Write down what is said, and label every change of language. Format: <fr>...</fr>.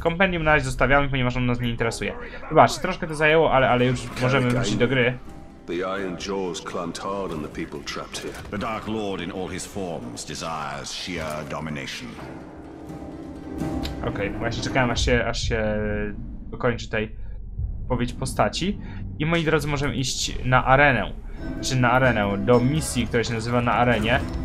<pl>Kompendium na razie zostawiamy, ponieważ on nas nie interesuje. Zobaczcie, troszkę to zajęło, ale już możemy wrócić do gry.</pl> <en>The Iron Jaws clamped hard on the people trapped here. The Dark Lord in all his forms desires sheer domination.</en> <pl>Okej, właśnie czekałem, aż się dokończy tej powiedź postaci. I moi drodzy, możemy iść na arenę. Czy na arenę, do misji, która się nazywa na arenie.</pl>